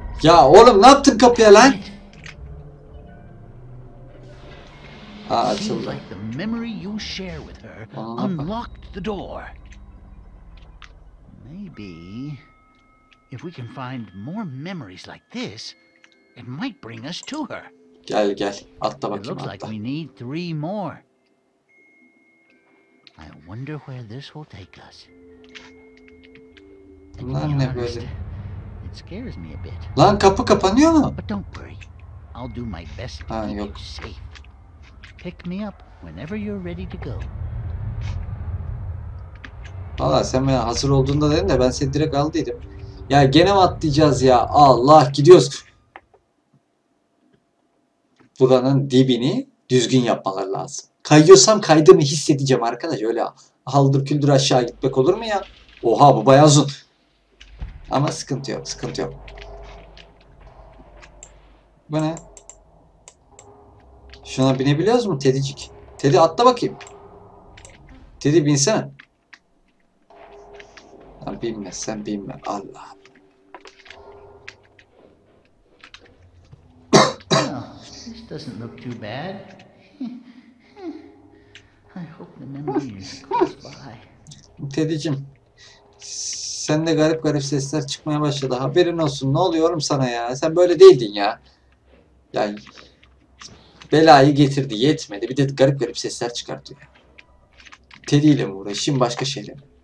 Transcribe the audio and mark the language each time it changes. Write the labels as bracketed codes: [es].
[tr] Ya oğlum, ne yaptın kapıya lan? Aa, [en] seems like the memory you share with her unlocked the door. Maybe if we can find more memories like this, it might bring us to her. [tr] Gel gel, atla bakayım, [en] it looks like we need three more. [tr] I wonder where this will take us. Bunlar ne böyle? [en] It scares me a bit. [tr] Lan kapı kapanıyor mu? [en] But don't worry. I'll do my best to ha, keep [tr] yok. [en] You safe. Pick me up whenever you're ready to go. [tr] Valla sen bana hazır olduğunda dedin de ben seni direkt aldıydım. Ya gene mi atlayacağız ya? Allah, gidiyoruz. Buranın dibini düzgün yapmaları lazım. Kayıyorsam kaydığımı hissedeceğim arkadaş. Öyle haldır küldür aşağı gitmek olur mu ya? Oha, bu bayağı uzun. Ama sıkıntı yok, sıkıntı yok. Bu ne? Şuna binebiliyoruz mu Tedicik? Tedi atla bakayım. Tedi binsene. Lan binme, sen binme. Allah. [en] This doesn't look too bad. I hope the memory is close by. [tr] Tedicim, sen de garip garip sesler çıkmaya başladı. Haberin olsun. Ne oluyorum sana ya? Sen böyle değildin ya. Yani belayı getirdi, yetmedi. Bir de garip garip sesler çıkartıyor. Teddy ile mi uğraşayım, başka şeyle mi?